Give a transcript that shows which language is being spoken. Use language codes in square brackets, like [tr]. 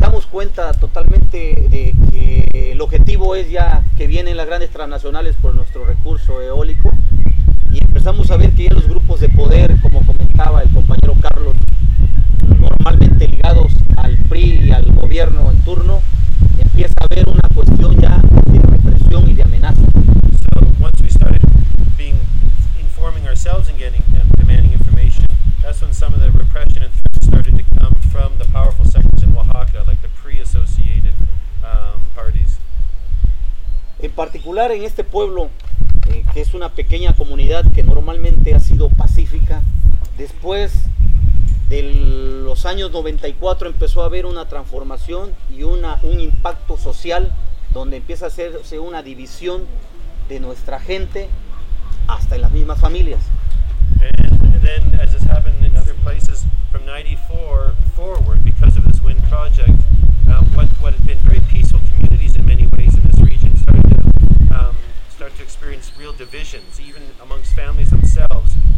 [es] cuenta totalmente de que el objetivo es ya que vienen las grandes transnacionales por nuestro recurso eólico, y empezamos a ver que ya los grupos de poder, como comentaba el compañero Carlos, normalmente ligados al PRI y al gobierno en turno, empieza a haber una cuestión ya de represión y de amenaza. [en] So once we started being informing ourselves and getting and demanding information, that's when some of the repression and threats started to come from the powerful sectors in Oaxaca, like the pre-associated parties. [es] En particular en este pueblo, que es una pequeña comunidad que normalmente ha sido pacífica, después de los años 94 empezó a haber una transformación y un impacto social donde empieza a hacerse una división de nuestra gente hasta en las mismas familias. [en] And then, as has happened in other places from 94 forward, because of this wind project, what had been very peaceful communities in many ways in this region started to experience real divisions, even amongst families themselves.